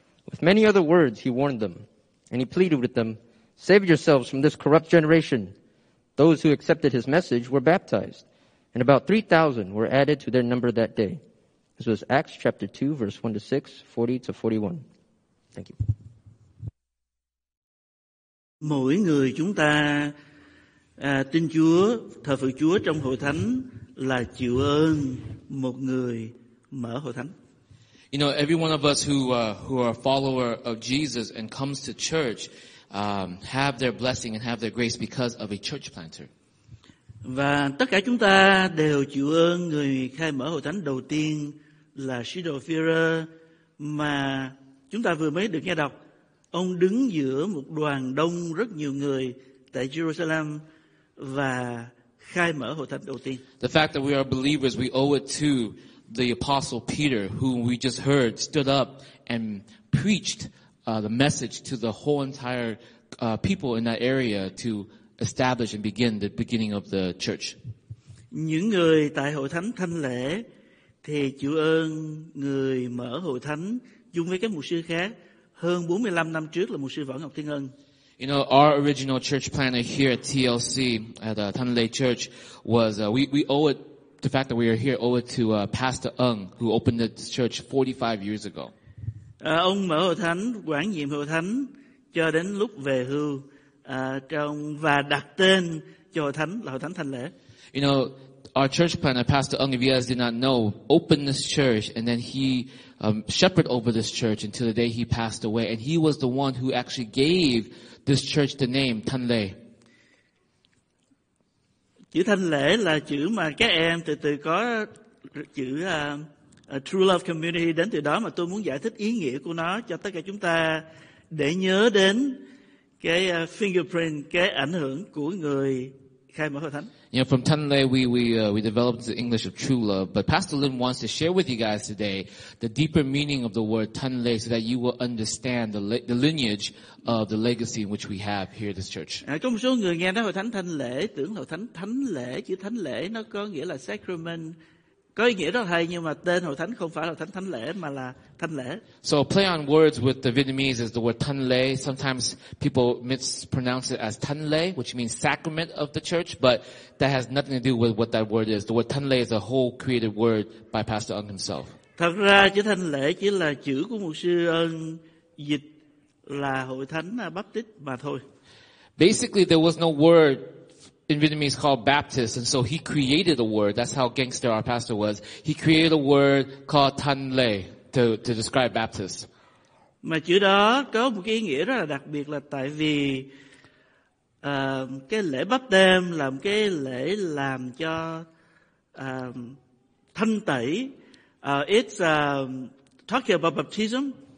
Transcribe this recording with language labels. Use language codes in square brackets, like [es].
[en] With many other words, he warned them, and he pleaded with them, "Save yourselves from this corrupt generation." Those who accepted his message were baptized, and about 3,000 were added to their number that day. This was Acts chapter 2, verse 1 to 6, 40 to 41. Thank you. [vi] Mỗi người chúng ta tin Chúa, thờ phượng Chúa trong hội thánh là chịu ơn một người mở hội thánh. [en] You know, every one of us who are a follower of Jesus and comes to church have their blessing and have their grace because of a church planter. [vi] Và tất cả chúng ta đều chịu ơn người khai mở hội thánh đầu tiên là sứ đồ Phi-rơ mà chúng ta vừa mới được nghe đọc. Ông đứng giữa một đoàn đông rất nhiều người tại Jerusalem và khai mở hội thánh đầu tiên. [en] The fact that we are believers, we owe it to the apostle Peter, who we just heard stood up and preached the message to the whole entire people in that area to establish and begin the beginning of the church. [vi] Những người tại hội thánh thanh lễ thì chịu ơn người mở hội thánh chung với các mục sư khác hơn 45 năm trước là mục sư Võ Ngọc Thiên Ân. [en] You know, our original church planner here at TLC, at Thanh Lê Church, was, we owe it, the fact that we are here, owe it to Pastor Ung, who opened the church 45 years ago. [vi] Ông mở hội thánh, quản nhiệm hội thánh, cho đến lúc về hưu, trong, và đặt tên cho hội thánh là hội thánh Thanh Lê. [en] You know, our church planner, Pastor Ung, if you guys did not know, opened this church, and then he shepherded over this church until the day he passed away, and he was the one who actually gave this church the name Thanh Lê. [vi] Chữ Thanh Lê là chữ mà các em từ từ có chữ True Love Community đến từ đó, mà tôi muốn giải thích ý nghĩa của nó cho tất cả chúng ta để nhớ đến cái fingerprint, cái ảnh hưởng của người khai mở hội thánh. [en] You know, from Thanh Lê, we developed the English of True Love, but Pastor Lin wants to share with you guys today the deeper meaning of the word Thanh Lê so that you will understand the lineage of the legacy in which we have here at this church. [vi] Có một số người nghe nói hội thánh Thanh Lê tưởng hội thánh Thánh Lễ, chữ Thánh Lễ nó có nghĩa là sacrament, có ý nghĩa rất hay, nhưng mà tên hội thánh không phải là thánh Thánh Lễ mà là Thanh Lễ. [en] So play on words with the Vietnamese is the word Thanh Lê. Sometimes people mispronounce it as Thanh Lê, which means sacrament of the church, but that has nothing to do with what that word is. The word Thanh Lê is a whole created word by Pastor Ung himself. [vi] Thật ra chữ Thanh Lễ chỉ là chữ của mục sư Ân dịch là hội thánh Baptist mà thôi. [en] Basically there was no word in Vietnamese called Baptist, and so he created a word. That's how gangster our pastor was. He created a word called Thanh Lê to describe Baptist. [vi] Mà chữ đó có một cái ý nghĩa rất là đặc biệt là tại vì cái lễ báp têm là một cái lễ làm cho thanh tẩy. [en] It's talking about baptism,